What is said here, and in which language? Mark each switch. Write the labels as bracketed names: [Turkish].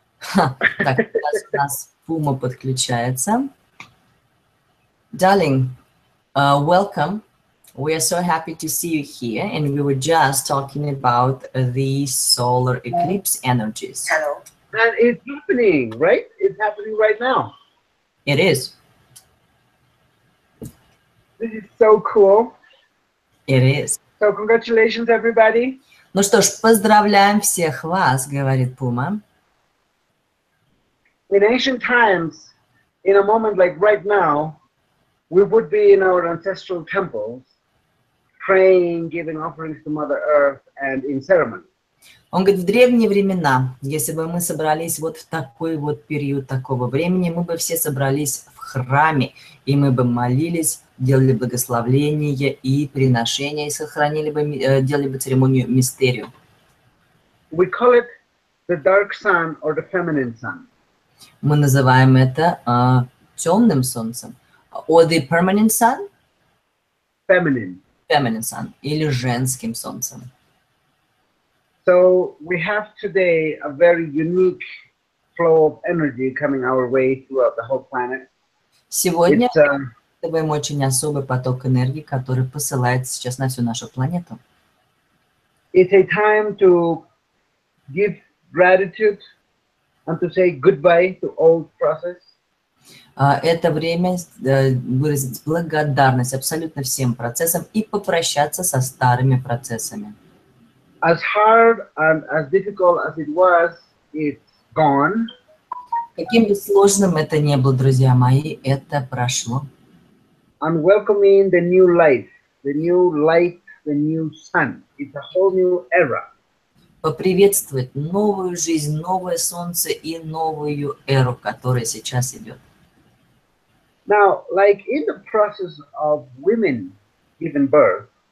[Russian] Так, у нас Пума подключается. [English] Darling, welcome. We are so happy to see you here, and we were just talking about the solar eclipse energies. Hello. And it's happening, right? It's happening right now. It is. This is so cool. It is. So congratulations, everybody. [Russian] Ну что ж, поздравляем всех вас, говорит Пума. [English] In ancient times, in a moment like right now, we would be in our ancestral temples, praying, giving offerings to Mother Earth, and in ceremony. [Russian] Он говорит, в древние времена, если бы мы собрались вот в такой вот период такого времени, мы бы все собрались в храме, и мы бы молились делали благословение и приношение, и сохранили бы, делали бы церемонию мистерию. [English] We call it the dark sun or the feminine sun. [Russian] Мы называем это темным солнцем. [English] Or the permanent sun? Feminine. Feminine sun. [Russian] Или женским солнцем. [English] So we have today a very unique flow of energy coming our way throughout the whole planet. [Russian] Сегодня мы очень особый поток энергии, который посылается сейчас на всю нашу планету. [English] It's a time to give gratitude and to say goodbye to old process. [Russian] Это время выразить благодарность абсолютно всем процессам и попрощаться со старыми процессами. [English] As hard and as difficult as it was, it's gone. [Russian] Каким бы сложным это ни было, друзья мои, это прошло. [English] And welcoming the new life, the new light, the new sun. It's a whole new era. [Russian] Поприветствовать новую жизнь, новое солнце и новую эру, которая сейчас идет. [English] Now, like in the process of women giving birth,